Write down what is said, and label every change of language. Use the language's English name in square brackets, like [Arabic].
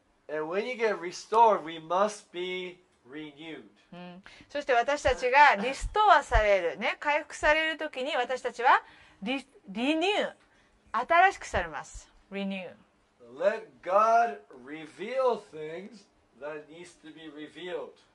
[English] And when you get restored, we must be renewed. [Japanese] うん、そして私たちがリストアされる、ね、回復されるときに私たちは リニュー新しくされます。リニュー。 [English] Let God reveal things that needs to be revealed、